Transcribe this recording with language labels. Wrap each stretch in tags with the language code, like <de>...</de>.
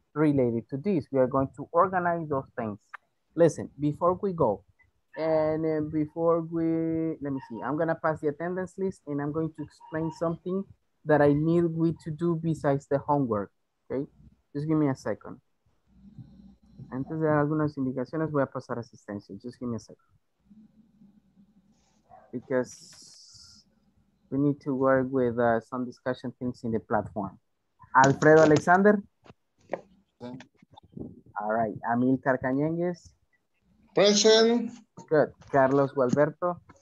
<en>Related to this, we are going to organize those things. Listen, before we go, and before we, let me see, I'm gonna pass the attendance list and I'm going to explain something that I need we to do besides the homework, okay? Just give me a second.</en> <es>Antes de algunas indicaciones, voy a pasar asistencia.</es> <en>Just give me a second. Because we need to work with some discussion things in the platform. Alfredo Alexander. Present. All right. Amilcar Cañengues. Present. Good. Carlos Gualberto.</en>